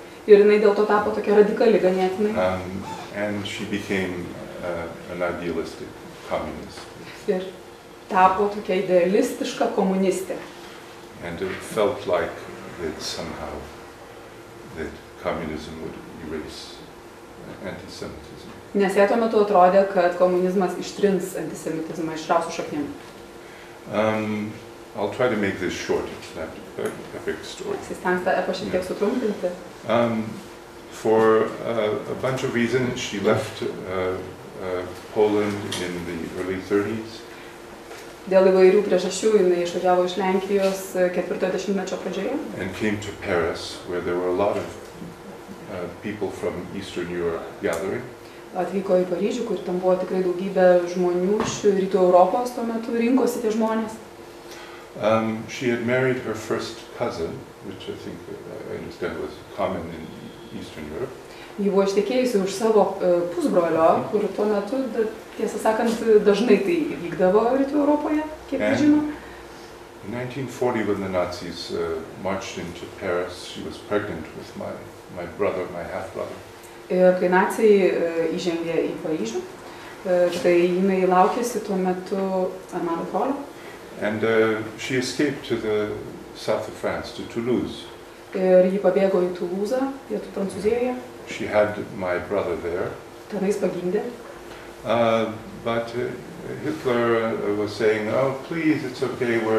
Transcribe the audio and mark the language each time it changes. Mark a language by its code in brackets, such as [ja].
[lt] Ir jinai dėl to tapo tokia radikali ganėtinai. [en] And she became an idealistic communist. [lt] Ir tapo tokia idealistiška komunistė. [en] And it felt like that somehow that communism would erase antisemitism. [lt] Nes jai tuo metu atrodė, kad komunizmas ištrins antisemitizmą iš rasų šaknim. [en] I'll try to make this short, that epic story. Yeah. For a bunch of reasons, she left Poland in the early 30s. [lt] Dėl įvairių priežasčių, jinai išvažiavo iš Lenkijos ketvirtojo dešimtmečio pradžioje. [en] And came to Paris, where there were a lot of people from Eastern Europe gathering. [lt] Atvyko į Paryžių, kur ten buvo tikrai daugybė žmonių iš Rytų Europos tuo metu, rinkosi tie žmonės. [en] She had married her first cousin, which I think I understand was common in Eastern Europe. [lt] Ji buvo ištekėjusi už savo pusbrolio, kur tuo metu, tiesą sakant, dažnai tai vykdavo Rytų Europoje, kiek žinau. [en] In 1940, when the Nazis marched into Paris, she was pregnant with my brother, my half brother. [lt] Kai naciai įžengė į Paryžių, tai jinai laukėsi tuo metu mano brolio. [en] And she escaped to the south of France, to Toulouse. [lt] Ir ji pabėgo į Toulouse, pietų Prancūzijoje. [en] She had my brother there. [lt] Tenais pagimdė. [en] But Hitler was saying, "Oh, please, it's okay.